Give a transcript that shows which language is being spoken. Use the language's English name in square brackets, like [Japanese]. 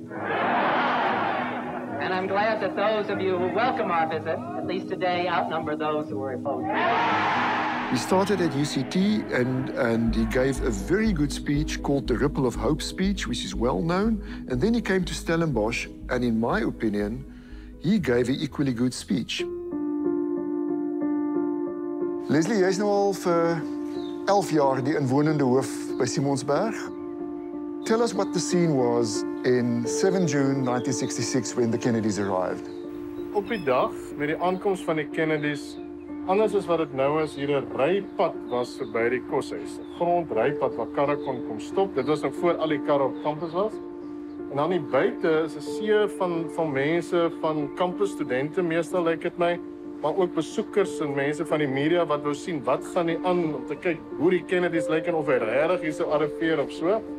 [English] And I'm glad that those of you who welcome our visit, at least today, outnumber those who are opposed. He started at UCT and he gave a very good speech called the Ripple of Hope speech, which is well known. And then he came to Stellenbosch, and in my opinion, he gave an equally good speech. [Afrikaans] Leslie, jy is nou al vir 11 jaar die inwonende hoof by Simonsberg. [English] Tell us what the scene was in 7 June 1966 when the Kennedys arrived. [Afrikaans] Op die dag met die aankoms van die Kennedys, anders as wat dit nou is, hier 'n rypad was verby die koshuis. Grond rypad waar karre kon kom stop. Dit was nog voor al die karre op kampus was. En dan die buite is 'n see van mense, van kampus studente meestal lyk dit my, maar ook besoekers en mense van die media wat wou sien wat gaan hier aan om te kyk hoe die Kennedys lyk en of hy regtig hier sou arriveer of so.